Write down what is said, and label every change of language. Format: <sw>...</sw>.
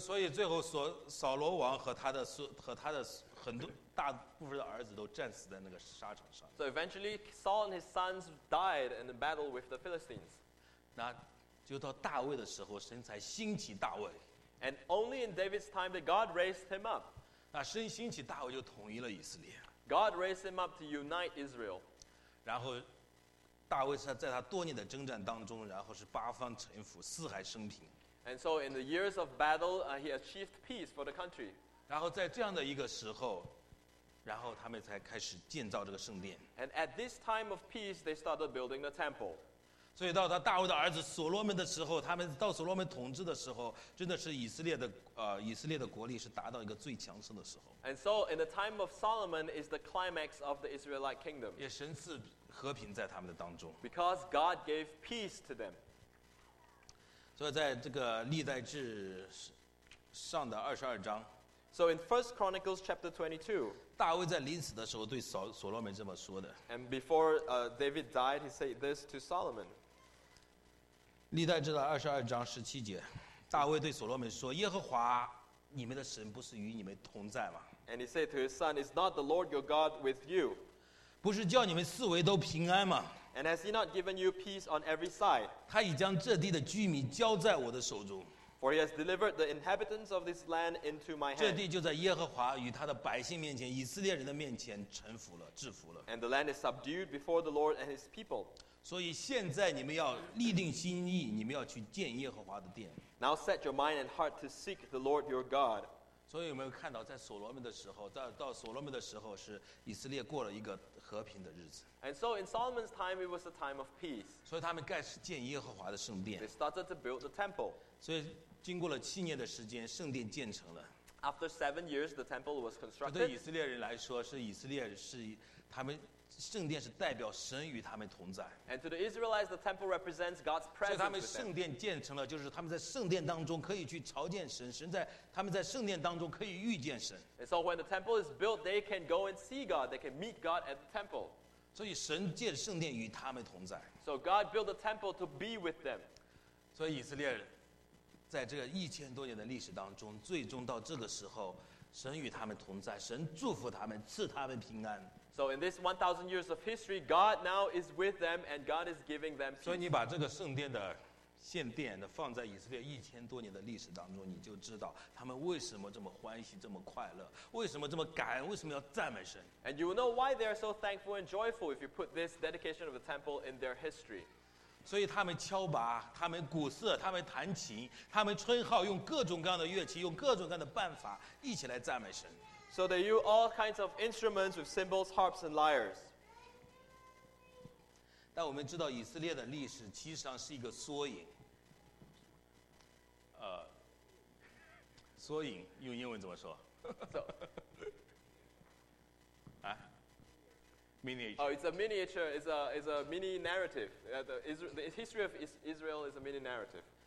<zh>所以最后扫罗王和他的很多大部分的儿子都战死在那个沙场上。</zh> <en>So eventually, Saul and his sons died in the battle with the Philistines.</en> <zh>那就到大卫的时候，神才兴起大卫。</zh> <en>And only in David's time that God raised him up.</en> <zh>那神兴起大卫就统一了以色列。</zh> <en>God raised him up to unite Israel.</en> <zh>然后。大卫在他多年的征战当中，然后是八方臣服，四海升平。</zh> <en>And so in the years of battle, he achieved peace for the country.</en> <zh>然后在这样的一个时候，然后他们才开始建造这个圣殿。</zh> <en>And at this time of peace, they started building the temple.</en> <zh>所以到大卫的儿子所罗门的时候，他们到所罗门统治的时候，真的是以色列的国力是达到一个最强盛的时候。</zh> <en>And so in the time of Solomon is the climax of the Israelite kingdom.</en> <zh>也神赐和平在他们的当中。</zh> <en>Because God gave peace to them.</en> <zh>所以在这个历代志上的22章。</zh> <en>So in 1 Chronicles chapter 22.</en> <zh>大卫在临死的时候对所罗门这么说的。</zh> <en>And before David died, he said this to Solomon.</en> <zh>历代志的22章17节，大卫对所罗门说：“耶和华你们的神不是与你们同在吗</zh> <en>？”And he said to his son, "Is not the Lord your God with you?"</en> <zh>不是叫你们四围都平安吗</zh> <en>？And has he not given you peace on every side?</en> <zh>他已将这地的居民交在我的手中。</zh> <en>For he has delivered the inhabitants of this land into my hand.</en> <zh>这地就在耶和华与他的百姓面前，以色列人的面前臣服了，制服了。</zh> <en>And the land is subdued before the Lord and his people.</en> <zh>所以现在你们要立定心意，你们要去建耶和华的殿。</zh> <en>Now set your mind and heart to seek the Lord your God.</en> <zh>所以有没有看到，在所罗门的时候，到所罗门的时候，是以色列过了一个和平的日子。</zh> <en>And so in Solomon's time, it was a time of peace.</en> <zh>所以他们开始建耶和华的圣殿。</zh> <en>They started to build the temple.</en> <zh>所以经过了7年的时间，圣殿建成了。</zh> <en>After 7 years, the temple was constructed.</en> <zh>对以色列人来说，是以色列是他们。圣殿是代表神与他们同在。</zh> <en>And to the Israelites, the temple represents God's presence.</en> <zh>所以他们圣殿建成了，就是他们在圣殿当中可以去朝见神，他们在圣殿当中可以遇见神。</zh> <en>And so when the temple is built, they can go and see God. They can meet God at the temple.</en> <zh>所以神借着圣殿与他们同在。</zh> <en>So God built a temple to be with them.</en> <zh>所以以色列人在这个一千多年的历史当中，最终到这个时候，神与他们同在，神祝福他们，赐他们平安。</zh> <en>So in this 1,000 years of history, God now is with them and God is giving them peace.</en> <zh>所以你把这个圣殿的献殿的放在以色列一千多年的历史当中，你就知道他们为什么这么欢喜，这么快乐，为什么这么感恩，为什么要赞美神。</zh> <en>And you will know why they are so thankful and joyful if you put this dedication of the temple in their history.</en> <zh>所以他们敲拔，他们鼓瑟，他们弹琴，他们吹号，用各种各样的乐器，用各种各样的办法，一起来赞美神。</zh> <en>So they use all kinds of instruments with cymbals, harps, and lyres.</en> <zh>但我们知道以色列的历史其实上是一个缩影。缩影用英文怎么说？</zh> <en>啊 ？Miniature. Oh, it's a miniature. It's a mini narrative. The history of Israel is a mini narrative.</en>